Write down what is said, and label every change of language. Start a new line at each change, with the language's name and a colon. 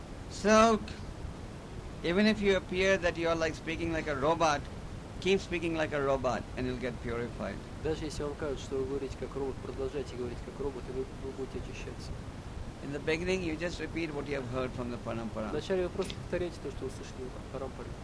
English: So, even if you appear that you are like speaking like a robot, keep speaking like a robot, and you'll get purified.
Russian: Даже если вам кажется, что вы говорите как робот, продолжайте говорить как робот, и вы будете очищаться.
English: In the beginning, you just repeat what you have heard from the parampara.
Russian: Вначале вы просто повторяете то, что вы слышали от парампары.